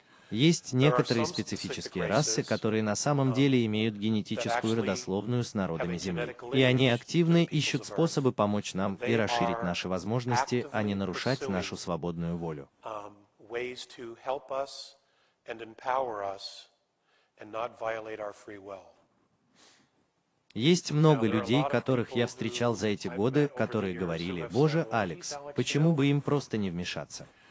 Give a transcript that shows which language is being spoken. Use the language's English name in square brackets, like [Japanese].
[Russian] Есть некоторые специфические расы, которые на самом деле имеют генетическую родословную с народами Земли, и они активно ищут способы помочь нам и расширить наши возможности, а не нарушать нашу свободную волю. [English] Ways to help us and empower us and not violate our free will. [Russian] Есть много людей, которых я встречал за эти годы, которые говорили: «Боже, Алекс, почему бы им просто не вмешаться?